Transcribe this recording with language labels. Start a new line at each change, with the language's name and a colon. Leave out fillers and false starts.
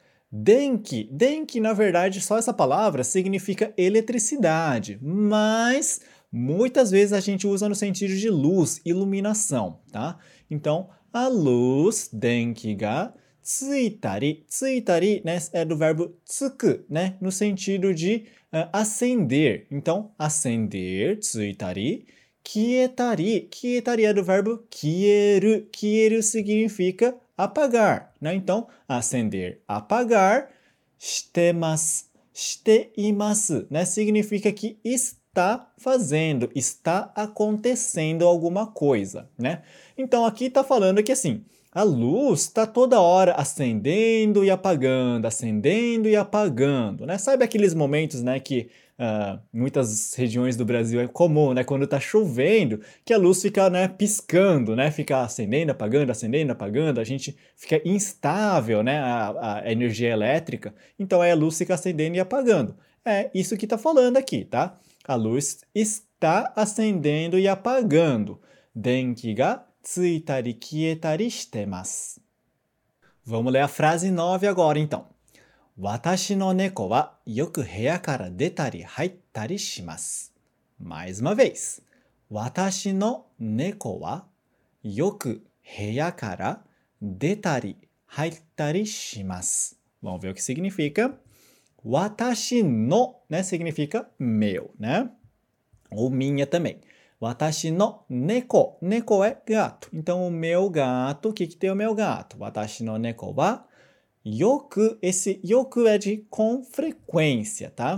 Portuguese: Denki, na verdade, só essa palavra significa eletricidade, mas muitas vezes a gente usa no sentido de luz, iluminação, tá? Então, a luz,
Japanese: denki ga ついたり,
Portuguese: né, é do verbo つく, né, no sentido de acender. Então, acender,
Japanese: ついたり, きえたり, きえたり
Portuguese: é do verbo きえる, きえる significa apagar, né? Então, acender, apagar,
Japanese: していますね,
Portuguese: significa que está fazendo, está acontecendo alguma coisa, né? Então, aqui está falando que assim, a luz está toda hora acendendo e apagando, né? Sabe aqueles momentos, né, que muitas regiões do Brasil é comum, né, quando está chovendo, que a luz fica, né, piscando, né, fica acendendo, apagando, a gente fica instável, né, a energia elétrica. Então, aí a luz fica acendendo e apagando. É isso que está falando aqui, tá? A luz está acendendo e apagando.
Japanese: Denki ga ついたり消えたりしてます。
Portuguese: Vamos ler a frase 9 agora, então.
Japanese: 私の猫はよく部屋から出たり入ったりします。
Portuguese: Mais uma vez.
Japanese: 私の猫はよく部屋から出たり入ったりします。
Portuguese: Vamos ver o que significa. 私の、né, significa meu, né? Ou minha também.
Japanese: Watashi no neko.
Portuguese: Neko é gato. Então, o meu gato, o que que tem o meu gato?
Japanese: Watashi no neko wa yoku.
Portuguese: Esse yoku é de com frequência, tá?